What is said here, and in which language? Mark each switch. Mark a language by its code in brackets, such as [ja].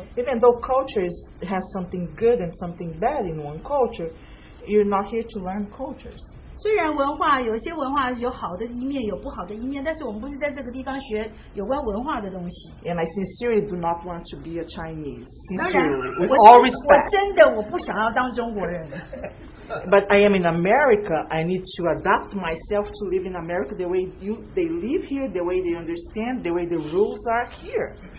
[en] Even though cultures have something good and something bad in one culture, you're not here to learn cultures. [zh] 虽然文化有些文化有好的一面，有不好的一面，但是我们不是在这个地方学有关文化的东西。 [en] And I sincerely do not want to be a Chinese. Sincerely, with all respect. [zh] 我真的我不想要当中国人。 [en] But I am in America. I need to adapt myself to live in America the way they live here, the way they understand, the way the rules are here.